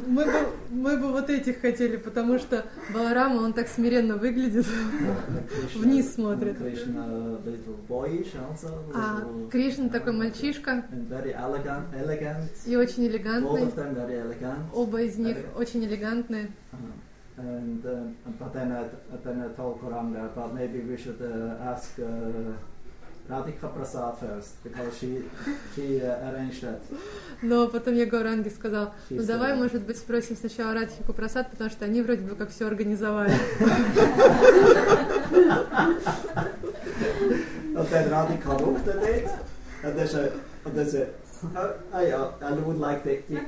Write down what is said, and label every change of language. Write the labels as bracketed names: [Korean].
[Russian] мы бы вот этих хотели, потому что Баларама, он так смиренно выглядит, вниз смотрит. [English] Кришна little boyish also. [Russian] А Кришна такой мальчишка. [English] Very elegant. [Russian] И очень элегантный. [English] Both of them very elegant. [Russian] Оба из них очень элегантные. [English] And but then I told Kuranga, but maybe we should ask Radhika Prasad first, because she arranged that. [Russian] Но потом я Гауранги сказал, ну давай, может быть, спросим сначала Радхику Прасад, потому что они вроде бы как все организовали. [English] And then Radhika looked at it, and there's a, I would like the